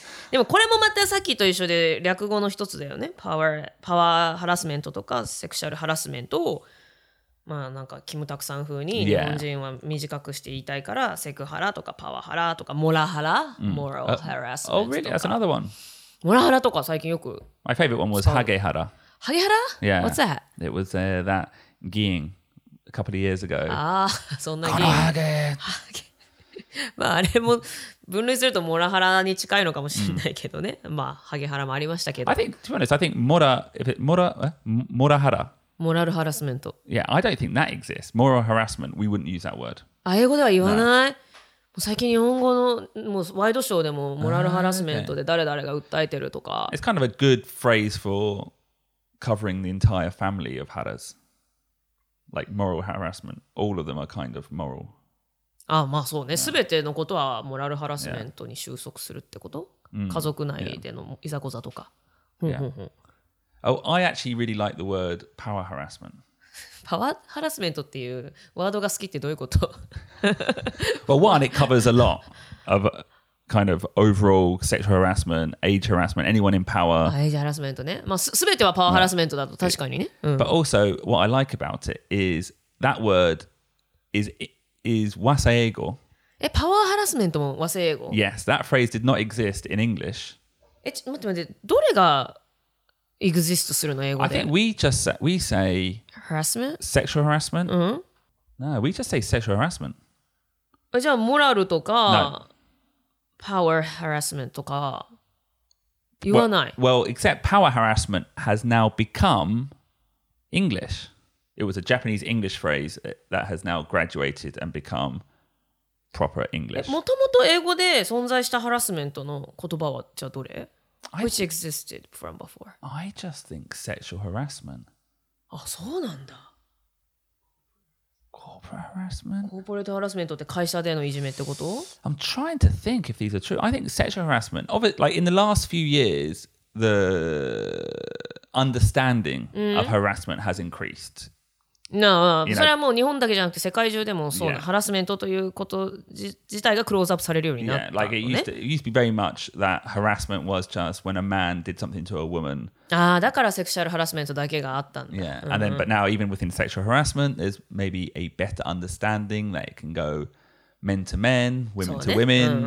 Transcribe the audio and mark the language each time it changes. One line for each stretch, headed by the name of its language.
Japanese: でもこれもまたさっきと一緒で略語の一つだよね。パワーハラスメントとかセクシャルハラスメントを、まあなんかキムタクさん風に日本人は短くして言いたいから、
English: yeah.
Japanese: セクハラとかパワハラとかモラハラ、
English: moral harassment とか。Oh really? That's another one.
Japanese: モラハラとか最近よく
English: My favorite one was ハゲハラ。
Japanese: ハゲハラ?
English: Yeah. What's that? It was that 議員 a couple of years ago.
Japanese: ああ、そんな議員。このハゲ。まああれも分類するとモラハラに近いのかもしれないけどね。まあハゲハラもありましたけど。
English: I think, to be honest, I think モラハラ。
Japanese: モラルハラスメント。
English: Yeah, I don't think that exists. Moral harassment, we wouldn't use that word.
Japanese: あ、英語では言わない。No. 最近日本語のもうワイドショーでもモラルハラスメントで誰々が訴えてるとか。
English: It's kind of a good phrase for covering the entire family of haras. Like moral harassment. All of them are kind of moral.
Japanese: あ、まあそうね。すべてのことはモラルハラスメントに収束するってこと、
English: yeah.
Japanese: 家族内でのいざこざとか。
English: Yeah. Oh, I actually really like the word power harassment.
Japanese: パワーハラスメントっていうワードが好きってどういうこと
English: Well, one, it covers a lot of kind of overall sexual harassment, age harassment, anyone in power. Age harassment, ne?
Japanese: まあ、全てはパワーハラスメントだと確かにね。
English: Yeah. But also, what I like about it is that word is waseego.
Japanese: え、パワーハラスメントも waseego?
English: Yes, that phrase did not exist in English.
Japanese: え、待って待って、どれがエグジストするの英語で?
English: I think we say harassment? Sexual harassment?、 Mm-hmm. No, we just say sexual harassment.
Japanese: え、じゃあモラルとか、
English: no.
Japanese: Power harassment とか言わない。
English: Well, except power harassment has now become English. It was a Japanese English phrase that has now graduated and become proper English.
Japanese: もともと英語で存在したハラスメントの言葉はじゃあどれ
English: Which existed from before? I just think sexual harassment.
Japanese: あ、そうなんだ。
English: Corporate
Japanese: harassment? Corporate harassment って会社でのいじめってこと?
English: I'm trying to think if these are true. I think sexual harassment, of it, like in the last few years, the understanding of harassment has increased.
Japanese: No, それはもう日本だけじゃなくて世界中でもそうな、ハラスメントということ自体がクローズアップされるようになったのね。
English: Yeah, like it used to be very much that harassment was just when a man did something to a woman.
Japanese: ああ、だからセクシャルハラスメントだけがあったんだ。
English: Yeah, and then, but now even within sexual harassment, there's maybe a better understanding that it can go men to men, women to women.